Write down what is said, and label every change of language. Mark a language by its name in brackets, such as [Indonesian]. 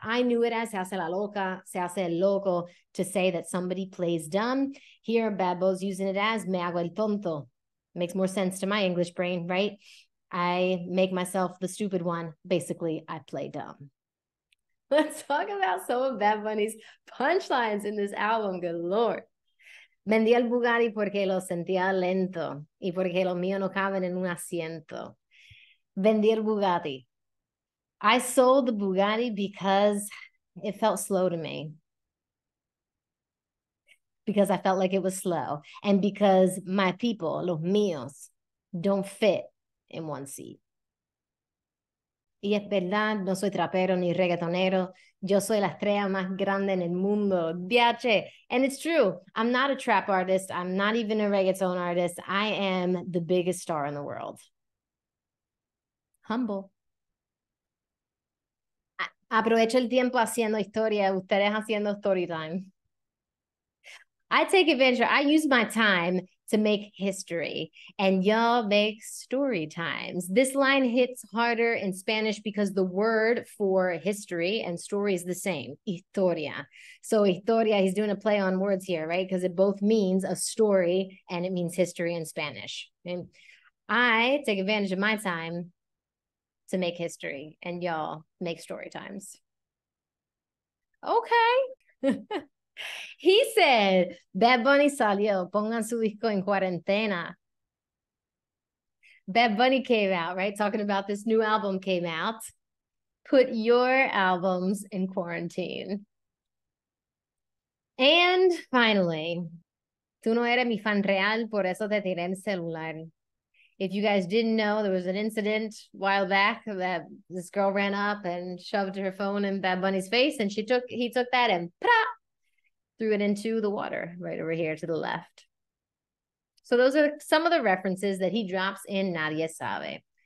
[English] I knew it as se hace la loca, se hace el loco, to say that somebody plays dumb. Here, Babbo's using it as [Spanish] me hago el tonto. [English] Makes more sense to my English brain, right? I make myself the stupid one. Basically, I play dumb. Let's talk about some of Bad Bunny's punchlines in this album. Good Lord. [Spanish] Vendí el Bugatti porque lo sentía lento y porque lo mío no cabe en un asiento. Vendí el Bugatti. [English] I sold the Bugatti because it felt slow to me. Because I felt like it was slow. And because my people, [Spanish] los míos, [English] don't fit in one seat. [Spanish] Y es verdad, no soy trapero ni reggaetonero. Yo soy la estrella más grande en el mundo. [English] Biache. And it's true. I'm not a trap artist. I'm not even a reggaeton artist. I am the biggest star in the world. Humble. [Spanish] Aprovecho el tiempo haciendo historia, ustedes haciendo story time. [English] I take advantage. I use my time to make history, and y'all make story times. This line hits harder in Spanish because the word for history and story is the same, historia. So historia, he's doing a play on words here, right? Because it both means a story and it means history in Spanish. And I take advantage of my time to make history, and y'all make story times. Okay. He said, [Spanish] Bad Bunny salió, pongan su disco en cuarentena. [English] Bad Bunny came out, right? Talking about this new album came out. Put your albums in quarantine. And finally, [Spanish] tú no eres mi fan real, por eso te tiré el celular. [English] If you guys didn't know, there was an incident a while back that this girl ran up and shoved her phone in Bad Bunny's face, and he took that and pah! Threw it into the water right over here to the left. So those are some of the references that he drops in Nadie Sabe.